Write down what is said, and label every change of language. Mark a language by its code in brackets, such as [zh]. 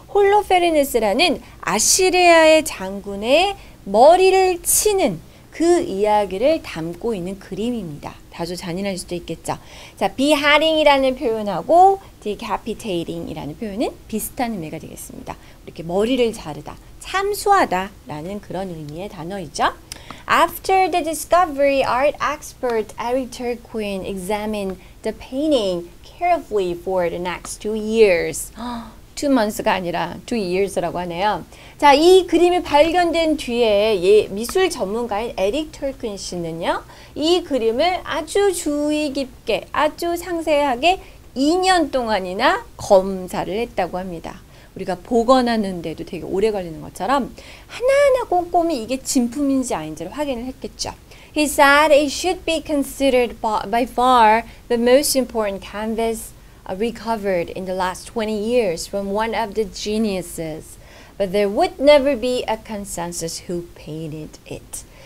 [ko] 홀로페르네스라는 아시리아의 장군의 머리를 치는 그 이야기를 담고 있는 그림입니다. 다소 잔인할 수도 있겠죠. 자, beheading이라는 표현하고 decapitating이라는 표현은 비슷한 의미가 되겠습니다. 이렇게 머리를 자르다, 참수하다 라는 그런 의미의 단어이죠. [en] After the discovery, art expert Eric Turquin examined the painting carefully for the next 2 years. 2 months가 아니라 2 years라고 하네요. [ko] 자, 이 그림이 발견된 뒤에 예, 미술 전문가인 에릭 털큰 씨는요. 이 그림을 아주 주의 깊게, 아주 상세하게 2년 동안이나 검사를 했다고 합니다. 우리가 복원하는데도 되게 오래 걸리는 것처럼 하나하나 꼼꼼히 이게 진품인지 아닌지를 확인을 했겠죠. [en] He said it should be considered by far the most important canvas recovered in the last 20 years from one of the geniuses. But there would never be a consensus who painted it.